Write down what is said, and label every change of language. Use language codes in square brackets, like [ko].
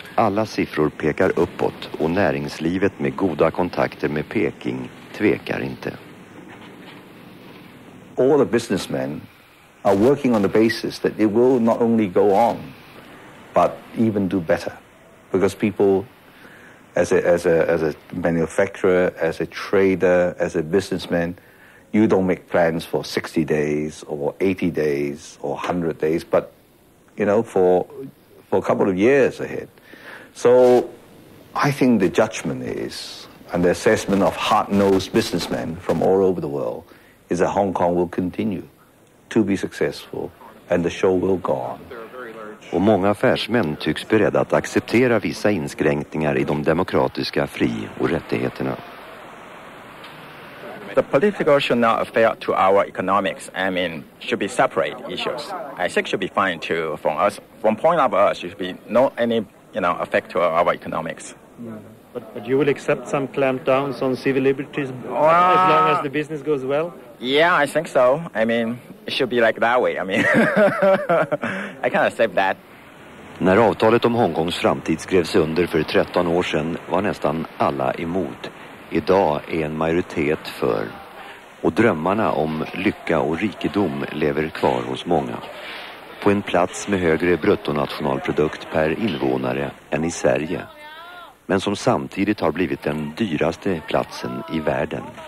[sv] Alla siffror pekar uppåt och näringslivet med goda kontakter med Peking tvekar inte. [en] All the businessmen are working on the basis that it will not only go on, but even do better. Because people, as a manufacturer, as a trader, as a businessman, you don't make plans for 60 days or 80 days or 100 days, but you know, for a couple of years ahead. So I think the judgment is, and the assessment of hard-nosed businessmen from all over the world, is that Hong Kong will continue to be successful and the show will go on. [sv] Och många affärsmän tycks beredda att acceptera vissa inskränkningar I de demokratiska fri- och rättigheterna. [en] The political should not affect to our economics. I mean, should be separate issues. I think should be fine too from us. From point of us, should be no any, you know, effect to our economics. Mm-hmm. But you will accept some clampdowns on civil liberties as long as the business goes well? Yeah, I think so. I mean, it should be like that way. I mean, I can't accept that. [sv] När avtalet om Hongkongs framtid skrevs under för 13 år sedan var nästan alla emot. Idag är en majoritet för, och drömmarna om lycka och rikedom lever kvar hos många. På en plats med högre bruttonationalprodukt per invånare än I Sverige, men som samtidigt har blivit den dyraste platsen I världen.